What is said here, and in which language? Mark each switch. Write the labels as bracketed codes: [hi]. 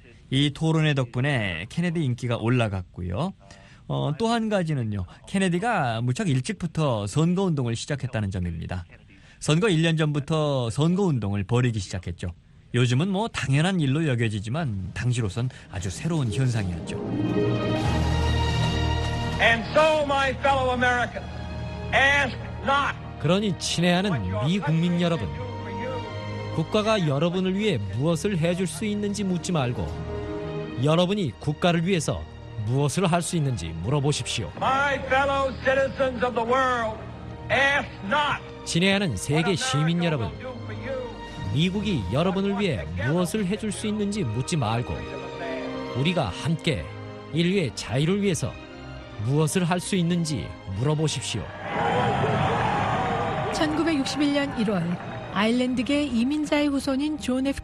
[ko] 이 토론의 덕분에 케네디 인기가 올라갔고요. 또 한 가지는요. 케네디가 무척 일찍부터 선거운동을 시작했다는 점입니다. 선거 1년 전부터 선거운동을 벌이기 시작했죠. 요즘은 뭐 당연한 일로 여겨지지만 당시로선 아주 새로운 현상이었죠. [en] And so my fellow Americans, ask not. [ko] 그러니 친애하는 미 국민 여러분, 국가가 여러분을 위해 무엇을 해줄 수 있는지 묻지 말고 여러분이 국가를 위해서 무엇을 할 수 있는지 물어보십시오. [en] My fellow citizens of the world, ask not. [ko] 친애하는 세계 시민 여러분, 미국이 여러분을 위해 무엇을 해줄 수 있는지 묻지 말고 우리가 함께 인류의 자유를 위해서 무엇을 할 수 있는지 물어보십시오. 1961년 1월 아일랜드계 이민자의 후손인 존 F.